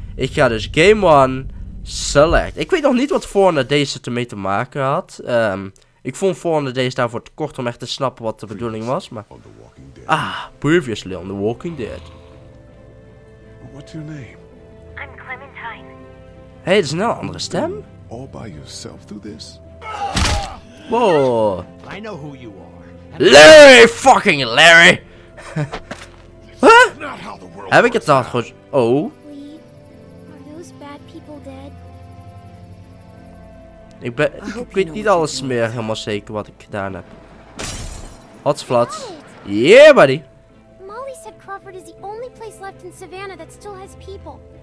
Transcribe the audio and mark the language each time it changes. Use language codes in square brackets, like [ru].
[nl] Ik ga dus game 1 select. Ik weet nog niet wat 400 days het ermee te maken had. Ik vond 400 days daarvoor te kort om echt te snappen wat de bedoeling was, maar [en] previously on The Walking Dead. What's your name? I'm Clementine. [nl] Hey, dat is nou een andere stem. [en] All by yourself through this. Whoa. I know who you are. Larry fucking Larry. Huh? [nl] Heb ik het dan goed? Oh. [en] Are those bad people dead? [nl] Ik weet niet alles meer helemaal zeker wat ik gedaan heb. [en] Hotsflat. Yeah, buddy. Molly said Crawford is the only place left in Savannah that still has people.